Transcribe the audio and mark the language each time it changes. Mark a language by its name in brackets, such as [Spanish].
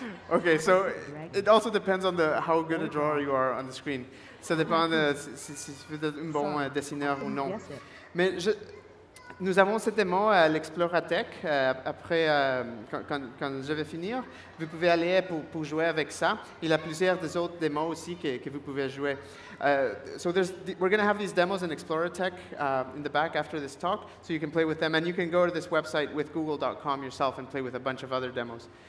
[English] Okay, so it also depends on how good a drawer you are on the screen. [French] Ça dépend de si tu es un bon dessineur ou non. Mais nous avons cette démo à l'Exploratech. Après, quand je vais finir, vous pouvez aller pour jouer avec ça. Il y a plusieurs des autres démos aussi que vous pouvez jouer. [English] We're going to have these demos in Exploratech in the back after this talk, so you can play with them. And you can go to this website with google.com yourself and play with a bunch of other demos.